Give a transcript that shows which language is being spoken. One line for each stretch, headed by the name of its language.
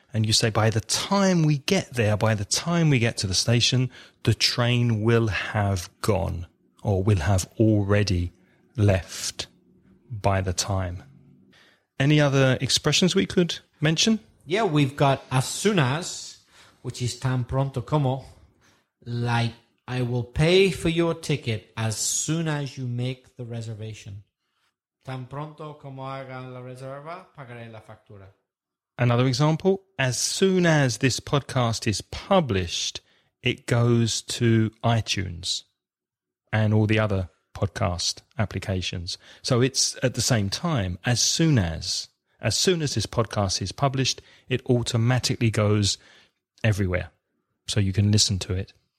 English: And you say, by the time we get there, by the time we get to the station, the train will have gone, or will have already left by the time. Any other expressions we could mention? Yeah, we've got as soon as, which is
Spanish: tan pronto como,
English: like, I will pay for your ticket as soon as you make the reservation.
Spanish: Tan pronto como hagan la reserva, pagaré la factura.
English: Another example, as soon as this podcast is published, it goes to iTunes and all the other podcast applications. So it's at the same time, as soon as this podcast is published, it automatically goes everywhere so you can listen to it.